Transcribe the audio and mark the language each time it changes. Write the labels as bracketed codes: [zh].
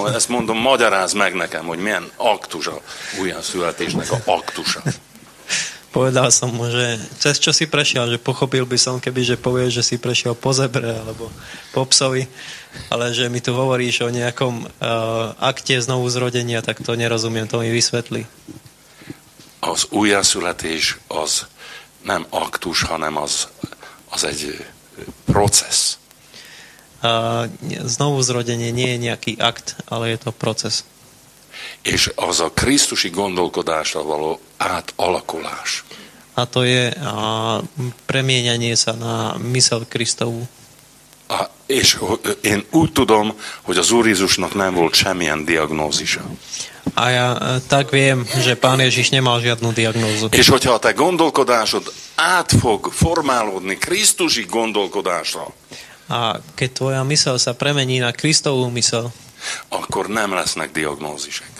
[hu] Ezt mondom, magyarázd meg nekem, hogy milyen aktus a újjászületésnek a aktusa. [sk] Povedal som mu, že cez čo si prešiel, že pochopil by som, keby že povieš, že si prešiel po zebre alebo po psovi, ale že mi tu hovoríš o nejakom akte znovu zrodenia, tak to nerozumiem, to mi vysvetli. [hu] Az újjászületés az nem aktus, hanem az egy proces. [sk] Znovu zrodenie nie je nejaký akt, ale je to proces. [hu] És az a Krisztusi gondolkodásra való átalakulás. [sk] A to je a premienianie sa na mysel Kristovú. [hu] És én úgy tudom, hogy az Úr Jézusnak nem volt semmilyen diagnózisa. [sk] A ja tak viem, že Pán Ježiš nemal žiadnu diagnózu. [hu] És hogyha a te gondolkodásod át fog formálódni Krisztusi gondolkodásra, [sk] a keď tvoja mysel sa premení na Kristovú mysel, [hu] akkor nem lesznek diagnózisek.